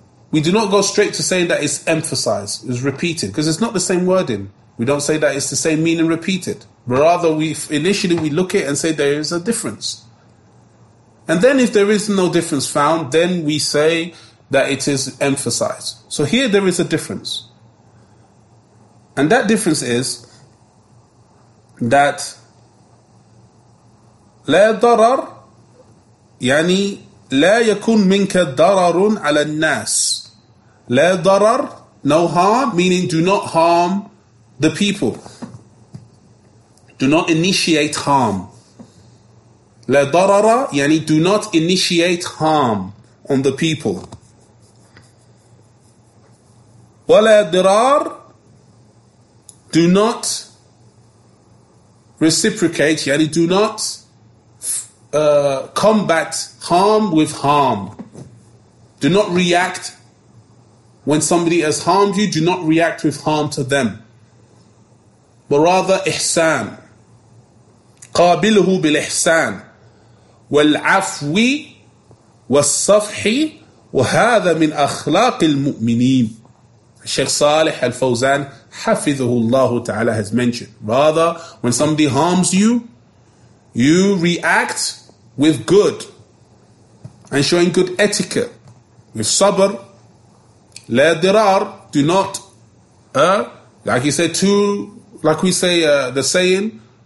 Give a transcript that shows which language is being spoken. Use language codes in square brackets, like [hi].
[en] We do not go straight to saying that it's emphasized, it's repeated, because it's not the same wording. We don't say that it's the same meaning repeated. Rather, we initially look at it and say there is a difference. And then if there is no difference found, then we say that it is emphasized. So here there is a difference. And that difference is that [ar] لا ضرر يعني لا يكون منك ضرر على الناس. [en] لا ضرر, no harm, meaning do not harm the people. Do not initiate harm. [ar] لا ضرر يعني [en] do not initiate harm on the people. [ar] ولا ضرار, [en] do not reciprocate, [ar] يعني [en] do not combat harm with harm. Do not react when somebody has harmed you, do not react with harm to them. But rather [ar] إحسان. قابله بالإحسان. والعفو والصفح وهذا من أخلاق المؤمنين. [en] Sheikh Saleh Al-Fawzan [ar] حفظه الله تعالى [en] has mentioned, rather when somebody harms you, you react with good and showing good etiquette with sabr. [ar] لا ضرار, [en] do not like you say, to like we say the saying